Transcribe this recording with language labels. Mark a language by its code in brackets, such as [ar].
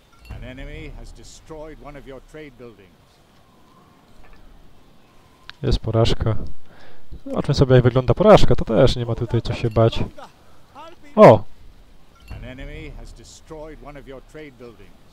[en] An enemy has destroyed one of your trade buildings. [pl] Jest porażka. Zobaczmy sobie, jak wygląda porażka. To też nie ma tutaj co się bać. O! [en] An enemy has destroyed one of your trade buildings.